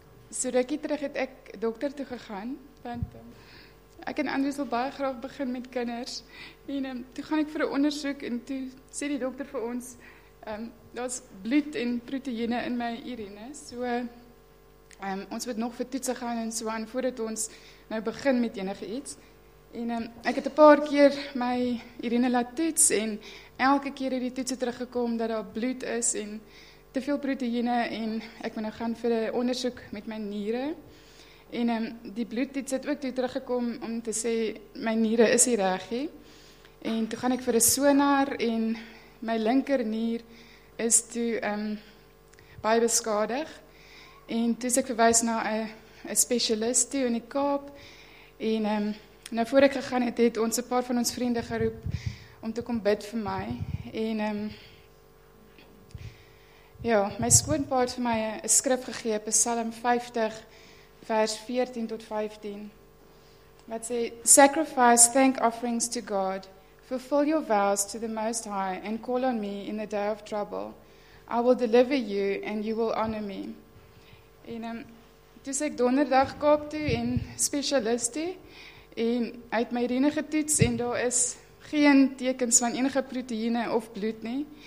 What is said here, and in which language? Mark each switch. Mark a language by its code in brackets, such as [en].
[af] So rukkie terug het ek dokter toe gegaan, want ek en Andre wil baie graag begin met kinders. En toe gaan ek vir 'n ondersoek en toe sê die dokter vir ons daar is bloed en proteïene in my urine, so ons moet nog vir toetse gaan en so aan, voordat ons nou begin met enige iets. En ek het 'n paar keer my urine laat toets en elke keer het die toetse teruggekom dat daar bloed is en te veel proteïene, en ek moet nou gaan vir 'n ondersoek met my niere. En die bloedtoets het ook toe teruggekom om te sê my niere is nie regie. En toe gaan ek vir 'n sonar en my linker nier is toe baie beskadig. En toe is ek verwys na 'n specialist toe in die Kaap. En nou voor ek gegaan het, het ons 'n paar van ons vriende geroep om te kom bid vir my. En ja, my skoonpa het vir my 'n skrif gegee, Psalm 50 vers 14 tot 15. Wat sê, [en] sacrifice thank offerings to God. Fulfill your vows to the Most High and call on me in the day of trouble. I will deliver you and you will honor me. [af] En toes ek donderdag Kaap toe en specialist toe, en uit my urine getoets en daar is geen tekens van enige proteïene of bloed nie.